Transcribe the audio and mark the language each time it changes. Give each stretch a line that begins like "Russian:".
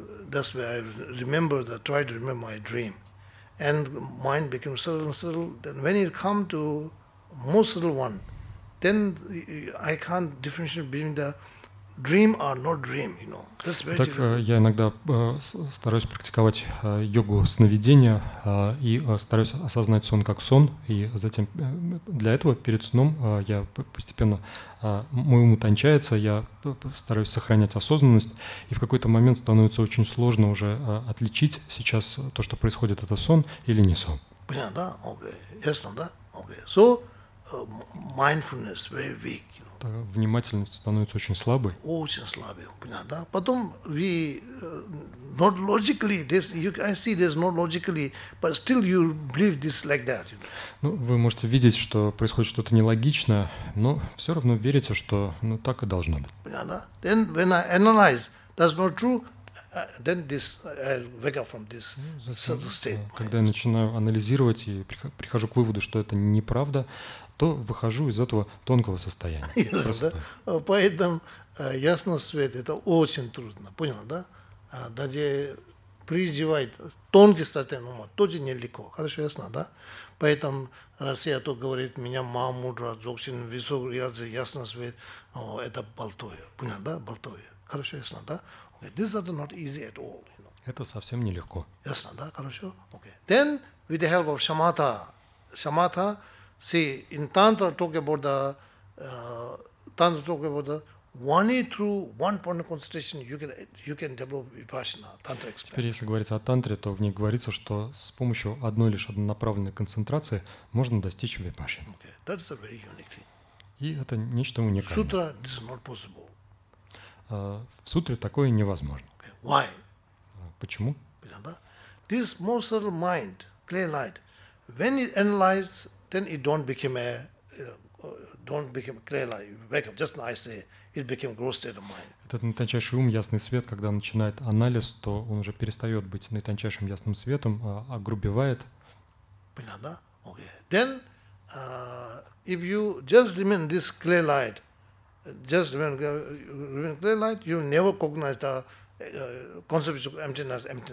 English: That's where I remember, that try to remember my dream, and mind becomes subtle and subtle. Then when it come to most subtle one, then I can't differentiate between the dream or not dream, you know. That's very
Russian: так, я иногда стараюсь практиковать йогу сновидения и стараюсь осознать сон как сон, и затем для этого перед сном я постепенно, мой ум утончается, я стараюсь сохранять осознанность, и в какой-то момент становится очень сложно уже отличить сейчас то, что происходит, это сон или не сон. Понятно, да? Окей. Ясно, да? Окей.
English: So, mindfulness very weak.
Russian: Внимательность становится очень слабой. Очень слабой, понятно, да? Потом
English: we not logically, this, you, I see this not logically, but still you believe this like that. You know?
Russian: Ну, вы можете видеть, что происходит что-то нелогичное, но все равно верите, что ну, так и должно быть. Понятно, да?
English: Then when I analyze, that's not true, then this, I wake up from this subtle state.
Russian: Когда я начинаю анализировать и прихожу к выводу, что это неправда, то выхожу из этого тонкого состояния. Ясно, да? Поэтому ясный свет – это очень трудно. Понял, да? Даже призывает тонкий состояние ума, тоже нелегко. Хорошо, ясно, да? Поэтому Россия то говорит, меня мамудра, дзогсин, висок, ядзе, ясный свет – это болтовье. Понял, да? Болтовье. Хорошо, ясно, да?
English: Okay. This is not easy at all. You know?
Russian: Это совсем нелегко. Ясно, да? Хорошо?
English: Okay. Then, with the help of shamatha, shamatha, see, in Tantra talk about the Tantra talk about the only through one point of concentration you can develop vipassana, Tantra experience.
Russian: Теперь, если говорится о Тантре, то в ней говорится, что с помощью одной лишь однонаправленной концентрации можно достичь випассаны.
English: Okay, that's a very unique thing.
Russian: И это нечто уникальное.
English: Sutra, this is not possible.
Russian: В сутре такое невозможно.
English: Okay. Why?
Russian: Почему?
English: This most subtle mind, clear light, when it analyzes, then it don't become clear light. You wake up, just I say, it became gross state of mind.
Russian: Этот наитончайший ум, ясный свет, когда начинает анализ, то он уже перестает быть наитончайшим ясным светом, а огрубевает. Понятно, да?
English: Okay. Then, if you just remain this clear light, just remain clear light, you never cognize the conceptual emptiness,